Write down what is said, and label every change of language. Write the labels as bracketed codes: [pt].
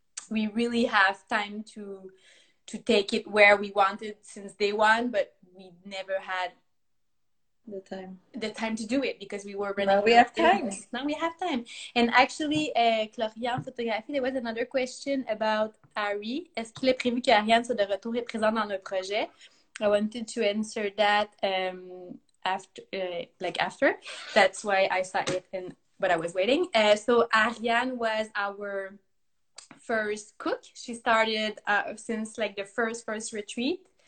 [en] We really have time to take it where we wanted since day one, but we never had the time to do it because we were running. Now we have time. Now we have time. And actually, Clorian Photographie, there was another question about Harry. [fr] Est-ce qu'il est prévu que Ariane soit de retour et présente dans le projet? [en] I wanted to answer that after. That's why I saw it, and but I was waiting. So Ariane was our first cook. She started since like the first retreat.